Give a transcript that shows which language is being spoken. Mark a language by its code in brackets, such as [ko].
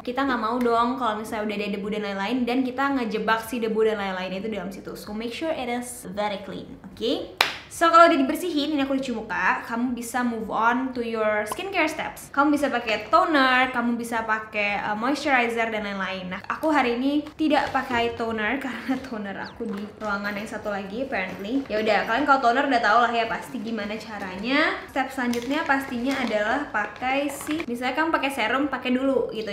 [id] Kita nggak mau dong kalau misalnya udah ada debu dan lain-lain dan kita ngejebak si debu dan lain-lain itu dalam situ. [en] So make sure it is very clean, okay? [id] So kalau udah dibersihin, ini aku cuci muka, kamu bisa [en] move on to your skincare steps. [id] Kamu bisa pakai toner, kamu bisa pakai moisturizer dan lain-lain. Nah, aku hari ini tidak pakai toner karena toner aku di ruangan yang satu lagi [en] apparently. [id] Ya udah, kalian kalau toner udah tau lah ya pasti gimana caranya. Step selanjutnya pastinya adalah pakai si, misalnya kamu pakai serum, pakai dulu gitu.